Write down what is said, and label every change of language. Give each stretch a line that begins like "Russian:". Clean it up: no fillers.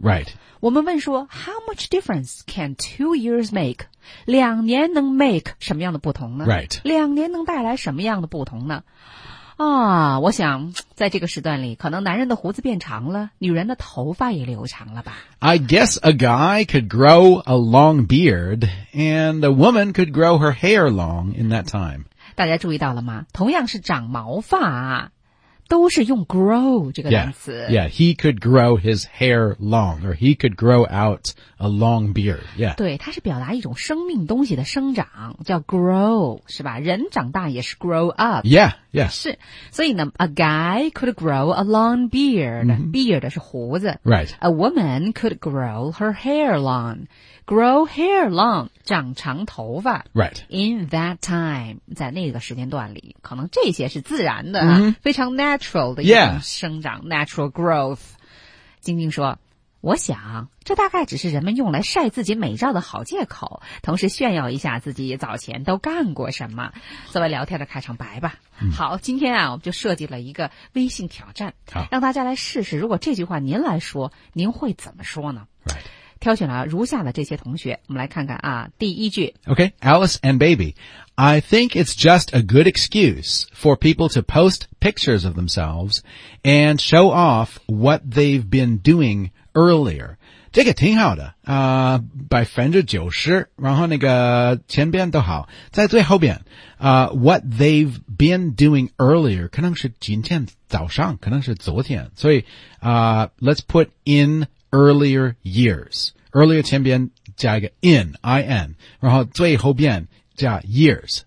English: Right
Chinese: 我们问说
English: How much difference can 2 years make?
Chinese: 两年能 make 什么样的不同呢
English: Right.
Chinese: 两年能带来什么样的不同呢啊，我想在这个时段里可能男人的胡子变长了女人的头发也留长了吧
English: I guess a guy could grow a long beard and a woman could grow her hair long in that time.
Chinese: 大家注意到了吗同样是长毛发都是用 grow 这个单词
English: yeah, yeah, he could grow his hair long or he could grow out a long beard yeah.
Chinese: 对它是表达一种生命东西的生长叫 grow 是吧人长大也是 grow up
English: yeah, yeah.
Chinese: 是所以呢
English: a guy could grow a long beard、mm-hmm.
Chinese: beard 是胡子、
English: right. a woman could grow her hair long grow hair long
Chinese: 长长头发、
English: right. in that time
Chinese: 在那个时间段里可能这些是自然的、
English: mm-hmm.
Chinese: 非常 natural 的一种生长、
English: yeah. natural growth
Chinese: 晶晶说我想这大概只是人们用来晒自己美照的好借口同时炫耀一下自己早前都干过什么作为聊天的开场白吧、嗯、好今天啊我们就设计了一个微信挑战好让大家来试试如果这句话您来说您会怎么说呢、
English: right.
Chinese: 挑选了如下的这些同学，我们来看看啊，第一句。
English: Okay, Alice and Baby, I think it's just a good excuse for people to post pictures of themselves and show off what they've been doing earlier.
Chinese: 这个挺好的90%然后那个前边都好在最后边
English: what they've been doing earlier,
Chinese: 可能是今天早上可能是昨天所以
English: let's put in earlier years,
Chinese: earlier 前边加一个 in, 然后最后边加 years.